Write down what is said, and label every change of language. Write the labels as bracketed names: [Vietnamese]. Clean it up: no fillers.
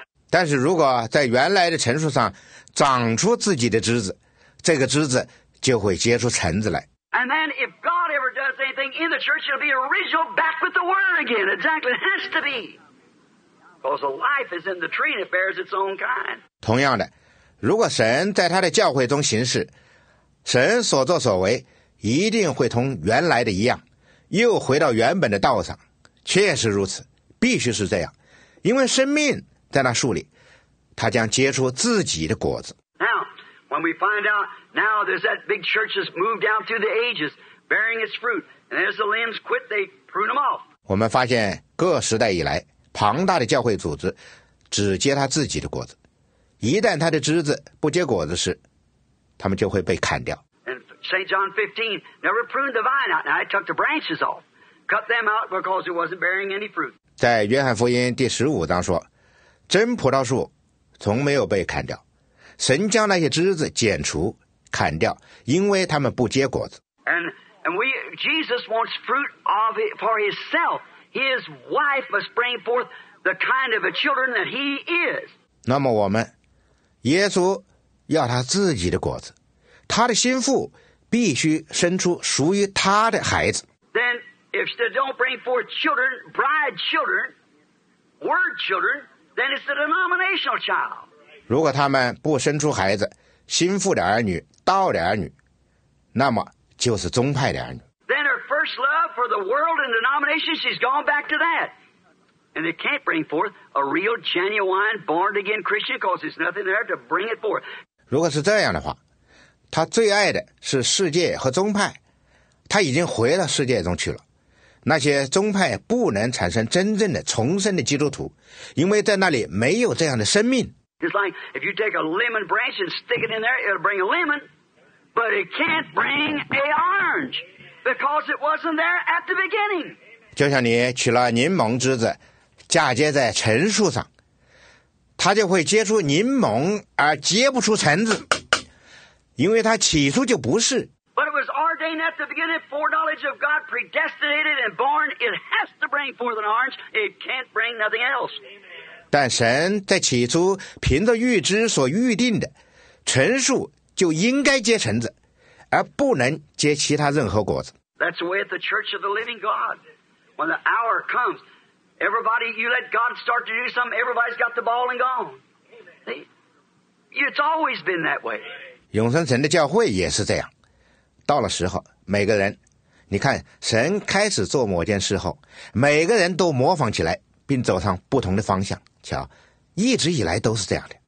[Chinese] 但是如果在原来的陈树上长出自己的枝子，这个枝子就会结出橙子来。 [English] And then if God ever does anything in the church, it'll be original back with the word again. Exactly, it has to be. Because life is in the tree and it bears its own kind. [Chinese] 同样的，如果神在他的教会中行事，神所作所为一定会同原来的一样，又回到原本的道上，确实如此，必须是这样，因为生命在那树里，它将结出自己的果子。 [English] Now, when we find out now there's that big church has moved down through the ages, bearing its fruit, and as the limbs quit, they prune them off. [Chinese] 我们发现各时代以来，庞大的教会组织只结他自己的果子，一旦他的枝子不结果子时，他们就会被砍掉。 [English] St. John 15 never pruned the vine out. Now I took the branches off, cut them out because it wasn't bearing any fruit. [Chinese] 在约翰福音第十五章说，真葡萄树从没有被砍掉，神将那些枝子剪除砍掉，因为他们不结果子。 [English] Jesus wants fruit of it for himself. His wife must bring forth the kind of a children that he is. [Chinese] 那么我们，耶稣要他自己的果子，他的心腹必须生出属于他的孩子。 [English] Then if they don't bring forth children, bride children, word children, then it's the denominational child. [Chinese] 如果他们不生出孩子，心腹的儿女，道的儿女，那么就是宗派的儿女。 [English] Then her first love for the world and denomination, she's gone back to that, and it can't bring forth a real, genuine, born again Christian, because there's nothing there to bring it forth. [Chinese] 如果是这样的话，他最爱的是世界和宗派，他已经回到世界中去了。那些宗派不能产生真正的重生的基督徒，因为在那里没有这样的生命。 [English] It's like if you take a lemon branch and stick it in there, it'll bring a lemon, but it can't bring an orange because it wasn't there at the beginning. [Chinese] 就像你取了柠檬枝子，嫁接在橙树上，它就会结出柠檬而结不出橙子。因为他起初就不是。 [English] But it was ordained at the beginning, foreknowledge of God, predestinated and born, it has to bring forth an orange, it can't bring nothing else. [Chinese] 但神在起初凭着预知所预定的，橙树就应该结橙子，而不能结其他任何果子。 [English] That's the way at the church of the living God. When the hour comes, everybody, you let God start to do something, everybody's got the ball and gone. See? It's always been that way. [Chinese] 永生神的教会也是这样，到了时候，每个人，你看神开始做某件事后，每个人都模仿起来，并走上不同的方向。瞧，一直以来都是这样的。